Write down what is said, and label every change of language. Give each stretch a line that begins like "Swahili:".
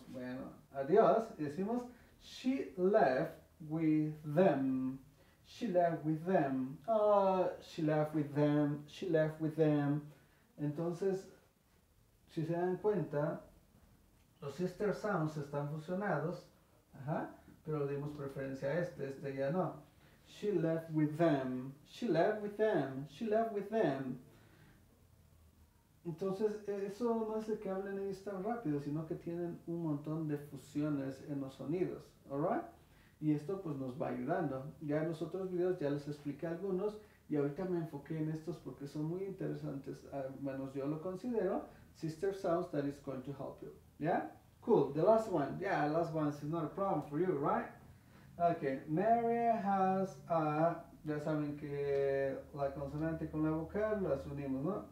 Spanish: Bueno, adiós, decimos,
English: she left with them, she left with them, oh, she left with them, she left with them.
Spanish: Entonces, si se dan cuenta, los sister sounds están fusionados, pero le dimos preferencia a este ya no.
English: She left with them. She left with them. She left with them.
Spanish: Entonces, eso no es de que hablen ellos tan rápido, sino que tienen un montón de fusiones en los sonidos. ¿Alright? Y esto pues nos va ayudando. Ya en los otros videos ya les expliqué algunos y ahorita me enfoqué en estos porque son muy interesantes. Al menos yo lo considero.
English: Sister sounds that is going to help you. ¿Yeah? Cool. The last one. Yeah, the last one is not a problem for you, right? Okay, Mary has a,
Spanish: ya saben que la consonante con la vocal las unimos, ¿no?